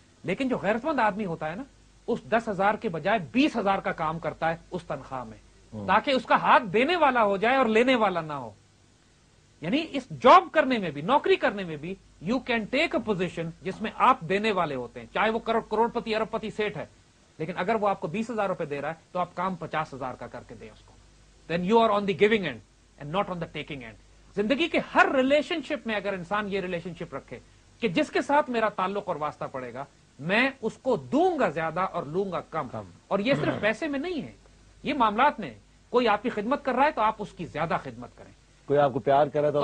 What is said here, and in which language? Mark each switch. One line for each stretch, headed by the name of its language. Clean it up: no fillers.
Urdu: لیکن جو غیرت مند آدمی ہوتا ہے نا, اس 10,000 کے بجائے 20,000 کا کام کرتا ہے اس تنخواہ میں, تاکہ اس کا ہاتھ دینے والا ہو جائے اور لینے والا نہ ہو. یعنی اس جاب کرنے میں بھی, نوکری کرنے میں بھی,
English: you can take a position
Urdu: جس میں آپ دینے والے ہوتے ہیں, چاہے وہ کروڑ پتی ارب پتی سیٹھ ہے, لیکن اگر وہ آپ کو 20,000 روپے دے رہا ہے تو آپ کام 50,000 کا کر کے دیں اس کو.
English: Then you are on the giving and and not on the taking and.
Urdu: زندگی کے ہر ریلیشن شپ میں اگر انسان یہ ریلیشن شپ رکھے کہ جس کے ساتھ میرا تعلق اور واسطہ پڑے گا میں اس کو دوں گا زیادہ اور لوں گا کم, اور یہ صرف پیسے میں نہیں ہے, یہ معاملات میں, کوئی آپ کی خدمت کر رہا ہے تو آپ اس کی زیادہ خدمت کریں, کوئی آپ کو پیار کر رہا ہے تو